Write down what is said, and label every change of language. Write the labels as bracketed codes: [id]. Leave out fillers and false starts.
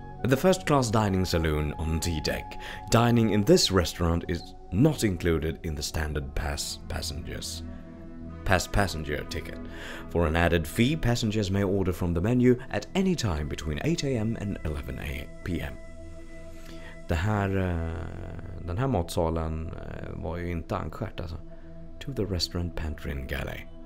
[en] The first class dining saloon on D-deck. Dining in this restaurant is not included in the standard pass passengers. Pass passenger ticket. For an added fee, passengers may order from the menu at any time between 8 a.m. and 11 p.m. [sv] Det här, den här matsalen var ju inte ankert alltså. [en] To the restaurant pantry and galley.